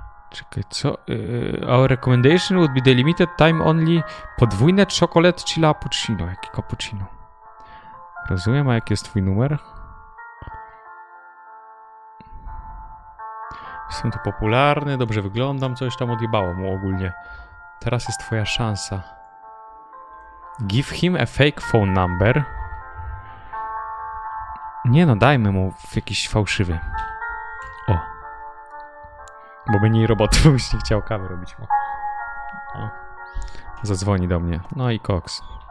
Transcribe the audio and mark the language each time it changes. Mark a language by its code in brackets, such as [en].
[en] Czekaj, co? Our recommendation would be the limited time only podwójne czekolady czy cappuccino. Jaki cappuccino? [pl] Rozumiem, a jaki jest twój numer? Jestem tu popularny, dobrze wyglądam, coś tam odjebało mu ogólnie. Teraz jest twoja szansa. [en] Give him a fake phone number. [pl] Nie no, dajmy mu jakiś fałszywy. O. Bo by nie robot, byś nie chciał kawy robić mu. O. Zadzwoni do mnie. No i koks.